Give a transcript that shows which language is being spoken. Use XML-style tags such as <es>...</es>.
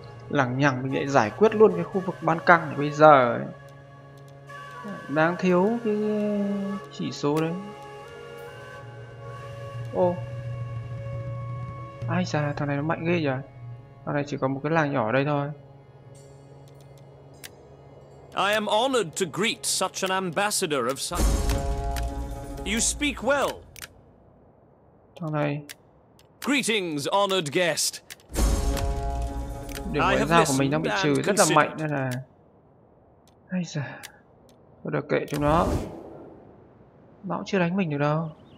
<vi>Lằng nhằng mình lại giải quyết luôn cái khu vực ban căng bây giờ ấy. Đang thiếu cái chỉ số đấy. Ô, ai già, thằng này nó mạnh ghê nhỉ. Thằng này chỉ có một cái làng nhỏ ở đây thôi.</vi> <en>I am honored to greet such an ambassador of such. You speak well.</en> <vi>Thằng này.</vi> <en>Greetings, honored guest.</en> <vi>Điều ngoại giao của mình đang bị trừ rất là mạnh nên là. Ai già, thôi được kệ chúng nó. Nó cũng chưa đánh mình được đâu.</vi>